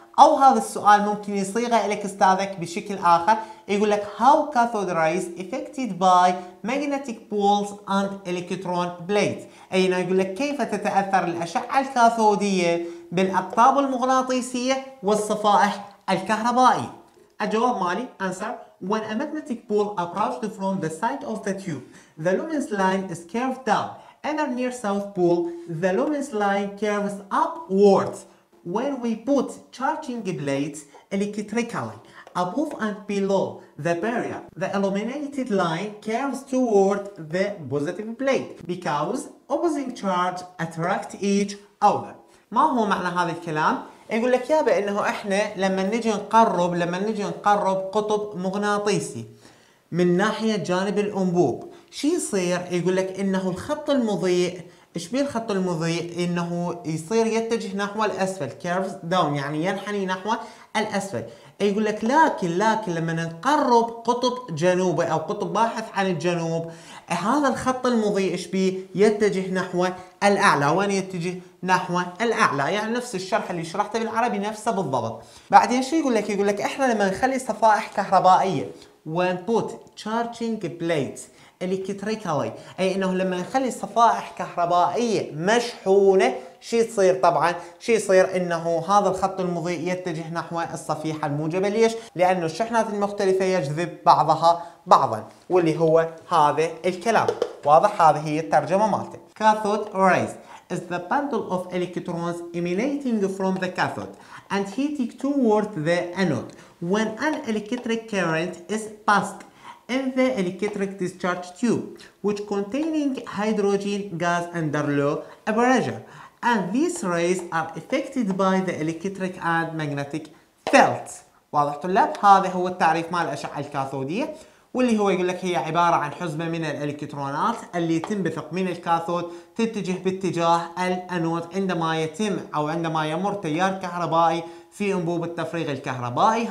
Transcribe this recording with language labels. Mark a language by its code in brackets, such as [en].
[ar] أو هذا السؤال ممكن يصيغه لك أستاذك بشكل آخر، يقول لك [en] How cathode rays affected by magnetic poles and electron plates؟ [ar] أي أنه يقول لك كيف تتأثر الأشعة الكاثودية بالأقطاب المغناطيسية والصفائح الكهربائية؟ الجواب مالي [en] answer When a magnetic pole approached from the side of the tube, the luminous line is curved down. And at near south pole, the luminous line curves upwards. When we put charging plates electrically above and below the barrier, the illuminated line curves toward the positive plate because opposing charge attract each other. [ar] ما هو معنى هذا الكلام؟ يقول لك يا بأنه إحنا لما نجي نقرب قطب مغناطيسي من ناحية جانب الأنبوب شي يصير؟ يقول لك إنه الخط المضيء إشبيه الخط المضيء إنه يصير يتجه نحو الأسفل [en] curves down [ar] يعني ينحني نحو الأسفل. يقول لك لكن لما نقرب قطب جنوبي أو قطب باحث عن الجنوب هذا الخط المضيء إشبيه يتجه نحو الأعلى. وين يتجه؟ نحو الأعلى. يعني نفس الشرح اللي شرحته بالعربي نفسه بالضبط. بعدين شو يقول لك؟ يقول لك إحنا لما نخلي صفائح كهربائية [en] when put charging plates electrically [ar] أي إنه لما نخلي صفائح كهربائية مشحونة شي يصير؟ طبعاً شي يصير إنه هذا الخط المضيء يتجه نحو الصفيحة الموجبة. ليش؟ لأنه الشحنات المختلفة يجذب بعضها بعضاً واللي هو هذا الكلام. واضح؟ هذه هي الترجمة مالته. [en] Cathode rays is the bundle of electrons emanating from the cathode and heating toward the anode when an electric current is passed in the electric discharge tube which containing hydrogen gas under low pressure and these rays are affected by the electric and magnetic fields. [ar] واضح طلاب؟ هذا هو التعريف مع الأشعة الكاثودية واللي هو يقول لك هي عبارة عن حزمة من الإلكترونات اللي تنبثق من الكاثود تتجه باتجاه الأنود عندما يتم أو عندما يمر تيار كهربائي في أنبوب التفريغ الكهربائي.